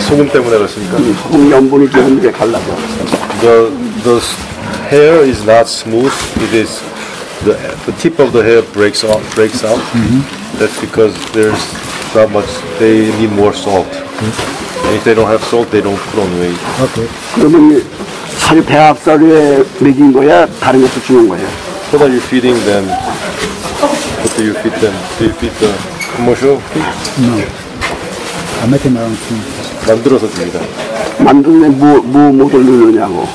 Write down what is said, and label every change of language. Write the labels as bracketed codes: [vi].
[ko] 소금 때문에 그렇습니까? 소금 염분이 되는데 갈라져. [en] The hair is not smooth. It is the tip of the hair breaks out. Mm-hmm. That's because there's not much. They need more salt. Mm-hmm. And if they don't have salt, they don't put on weight. Okay. [ko] 그러면 살이 배합살에 먹인 거야? 다른 것도 주는 거야? [en] What are you feeding them? What do you feed them? Do you feed the commercial feed? No. I make my own food. [ko] 만들어서 줍니다. 만드는 뭐 돌리느냐고.